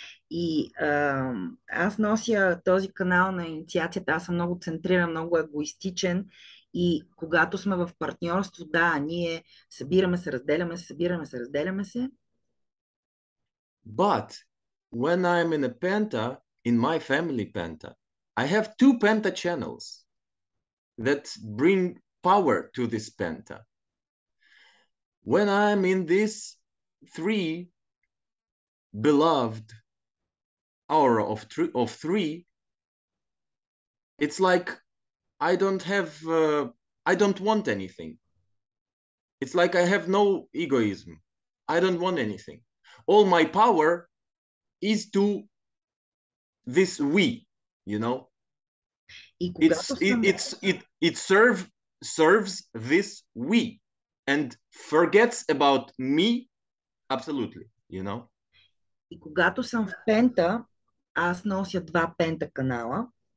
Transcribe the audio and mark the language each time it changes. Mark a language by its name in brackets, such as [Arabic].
[Bulgarian] И аз нося този канал на инициацията. Аз съм много центриран, много егоистичен. И когато сме в партньорство, да, ние събираме се, разделяме се. [English] But when I'm in a penta, in my family penta, I have two penta channels that bring power to this penta. When I'm in this three beloved aura of three, it's like I don't have I don't want anything. It's like I have no egoism. I don't want anything. All my power is to this we, you know. It serves this we and forgets about me absolutely, you know. [Bulgarian] И когато съм в пента, аз нося два пента канала.